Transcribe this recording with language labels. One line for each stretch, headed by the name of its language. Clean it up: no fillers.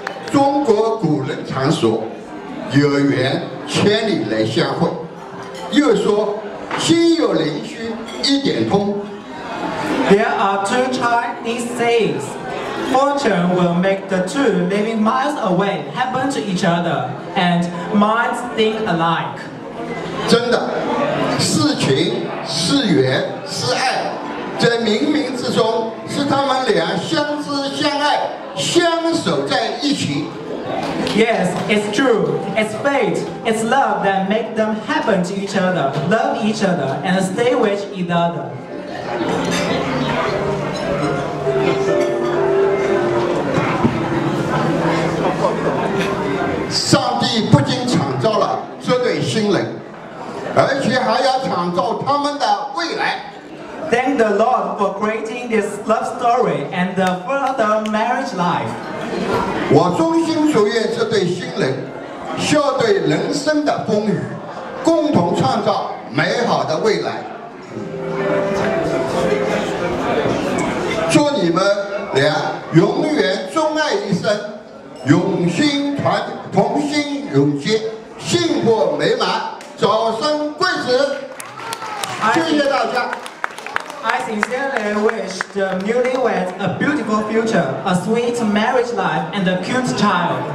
Chinese: 中国古人常说，有缘千里来相会，又说心有灵犀一点通。
English: There are two Chinese sayings. Fortune will make the two living miles away happen to each other, and minds think alike.
Chinese: 真的，是情是缘是爱，在冥冥之中是他们俩相知相爱，相守在一起。
English: Yes, it's true. It's fate. It's love that make them happen to each other, love each other, and stay with each other.
Chinese: 上帝不仅创造了这对新人，而且还要创造他们的未来。
English: Thank the Lord for creating this love story and the further marriage life.
Chinese: 我衷心祝愿这对新人笑对人生的风雨，共同创造美好的未来。祝你们俩永远钟爱一生，永心团结，同心永结，幸福美满，早生贵子。谢谢大家。
English: I sincerely wish the newlyweds a beautiful future, a sweet marriage life, and a cute child.